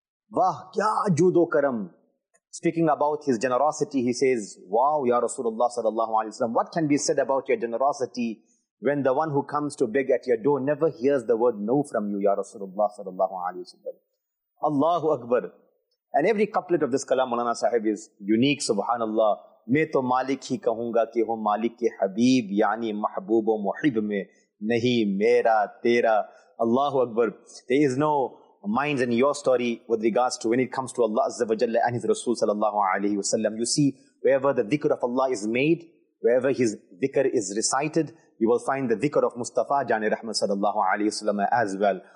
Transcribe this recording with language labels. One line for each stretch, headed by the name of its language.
Urdu: Wah, kya judo karam.
English: Speaking about his generosity, he says, wow, Ya Rasulullah sallallahu alayhi wa sallam, what can be said about your generosity when the one who comes to beg at your door never hears the word no from you, Ya Rasulullah sallallahu alayhi wa sallam. Allahu Akbar. And every couplet of this kalam, Mulana Sahib, is unique, subhanallah.
Urdu: میں تو مالک ہی کہوں گا کہ ہوں مالک کے حبیب یعنی محبوب و محب میں نہیں میرا تیرا.
Arabic: اللہ اکبر.
English: There is no minds in your story with regards to when it comes to Allah Azza wa Jalla and His Rasul sallallahu alayhi wa sallam. You see, wherever the dhikr of Allah is made, wherever His dhikr is recited, you will find the dhikr of Mustafa jani rahmat sallallahu alayhi wa sallam as well.